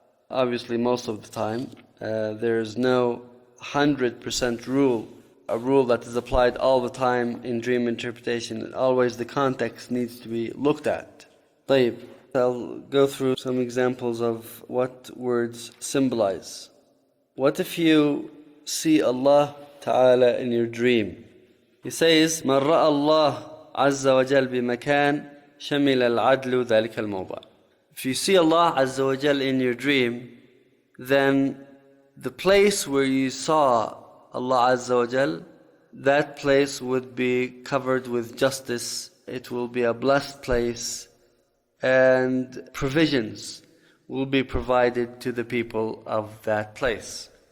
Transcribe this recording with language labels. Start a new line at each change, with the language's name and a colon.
English: Obviously, most of the time, there is no 100% rule, a rule that is applied all the time in dream interpretation. Always the context needs to be looked at.
Arabic: طيب.
English: I'll go through some examples of what words symbolize. What if you see Allah Ta'ala in your dream? He says,
Arabic: مَنْ رَأَ اللَّهُ عَزَّ وَجَلْ بِمَكَانْ شَمِلَ الْعَدْلُ ذَلِكَ الْمَوْبَعِ.
English: If you see Allah Azza wa Jal in your dream, then the place where you saw Allah Azza wa Jal, that place would be covered with justice. It will be a blessed place, and provisions will be provided to the people of that place.